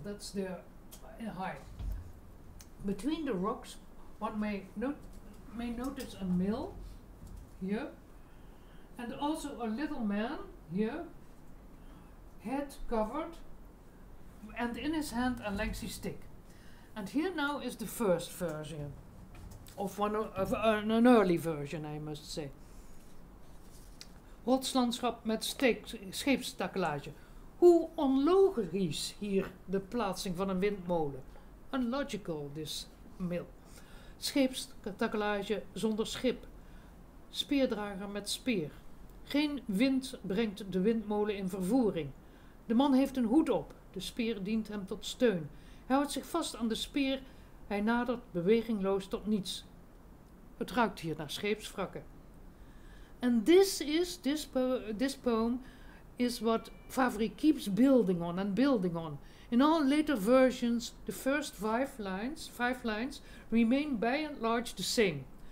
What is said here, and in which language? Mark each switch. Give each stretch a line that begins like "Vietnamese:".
English: That's their height. Between the rocks, one may notice a mill here, and also a little man here, head covered, and in his hand a lengthy stick. And here now is the first version, an early version, I must say.
Dutch: Rotslandschap met scheepstakelage. Hoe onlogisch hier de plaatsing van een windmolen.
English: Unlogical, this mill.
Dutch: Scheepstakelage zonder schip. Speerdrager met speer. Geen wind brengt de windmolen in vervoering. De man heeft een hoed op. De speer dient hem tot steun. Hij houdt zich vast aan de speer. Hij nadert bewegingloos tot niets. Het ruikt hier naar scheepswrakken.
English: And this is this this poem is what Favre keeps building on and building on. In all later versions, the first five lines remain by and large the same.